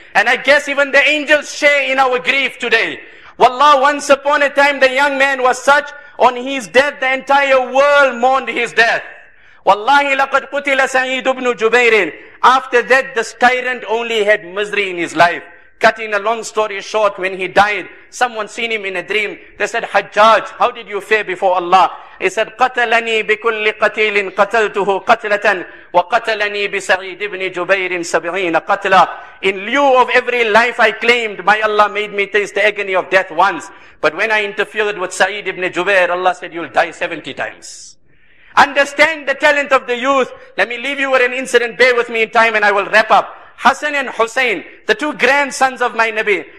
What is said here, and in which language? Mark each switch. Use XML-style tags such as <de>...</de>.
<en>And I guess even the angels share in our grief today. Wallah, once upon a time the young man was such, on his death the entire world mourned his death.</en> <ar>Wallahi laqad qutila Sa'id ibn Jubayrin.</ar> <en>After that, this tyrant only had misery in his life. Cutting a long story short, when he died, someone seen him in a dream. They said, Hajjaj, how did you fare before Allah? He said,</en> <ar>قَتَلَنِي بِكُلِّ قَتِيلٍ قَتَلْتُهُ قَتْلَةً وَقَتَلَنِي بِسَعِيدِ بْنِ جُبَيْرٍ سَبْعِينَ قَتْلًا.</ar> <en>In lieu of every life I claimed, my Allah made me taste the agony of death once. But when I interfered with Sa'id ibn Jubayr, Allah said, you'll die 70 times. Understand the talent of the youth. Let me leave you with an incident. Bear with me in time and I will wrap up. Hassan and Hussein, the two grandsons of my Nabi.</en>